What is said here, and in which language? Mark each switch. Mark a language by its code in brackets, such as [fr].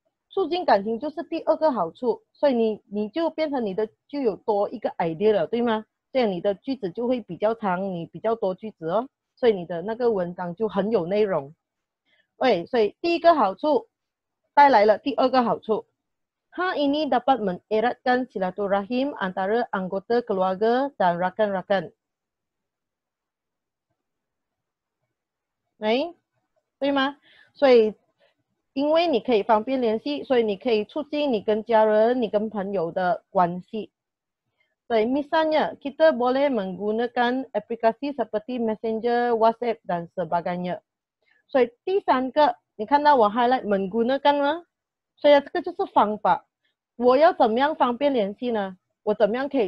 [zh] 促进感情就是第二个好处，所以你就变成你的就有多一个 idea 了，对吗？这样你的句子就会比较长，你比较多句子哦，所以你的那个文章就很有内容。喂，所以第一个好处带来了第二个好处。 [ms] Hal ini dapat mengeratkan silaturahim antara anggota keluarga dan rakan-rakan. [zh] 喂，对吗？所以因为你可以方便联系，所以你可以促进你跟家人、你跟朋友的关系。 [ms] Baik, misalnya kita boleh menggunakan aplikasi seperti Messenger, WhatsApp dan sebagainya. So, ketiga, ni kan dah highlight menggunakan lah. So, ya, ini adalah cara. Saya akan bagaimana berhubungi ni? Saya bagaimana boleh menggunakan perasaan ni?